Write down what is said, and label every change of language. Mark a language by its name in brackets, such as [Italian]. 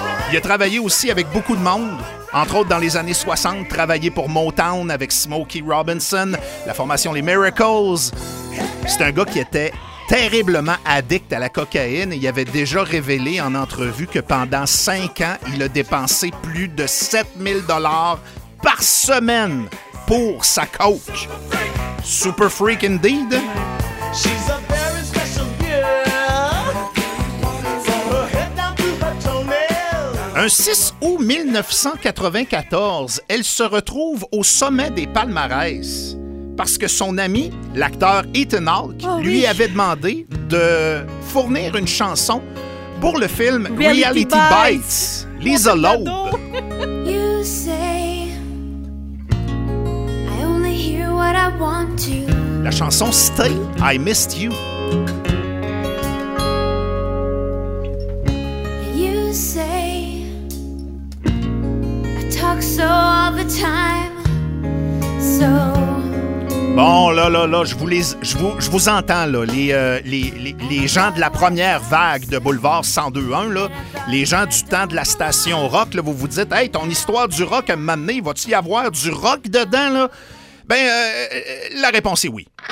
[French] Il a travaillé aussi avec beaucoup de monde. Entre autres, dans les années 60, travaillé pour Motown avec Smokey Robinson, la formation Les Miracles. C'est un gars qui était... terriblement addict à la cocaïne. Il avait déjà révélé en entrevue que pendant 5 ans, il a dépensé plus de 7 000 $ par semaine pour sa coke. [English] Super freak indeed. She's a very special girl. [French] Un 6 août 1994, elle se retrouve au sommet des palmarès. Parce que son ami, l'acteur Ethan Hawke, lui avait demandé de fournir une chanson pour le film Reality Bites, Lisa Loeb. [English] You say, I only hear what I want to. [French] La chanson Stay, I Missed You. [English] You say, I talk so all the time, so. [French] Bon, là, je vous entends, là, les gens de la première vague de Boulevard 102.1, là, les gens du temps de la station rock, là, vous vous dites, « Hey, ton histoire du rock, à un moment donné, va-t-il y avoir du rock dedans, là? » Ben, la réponse est oui.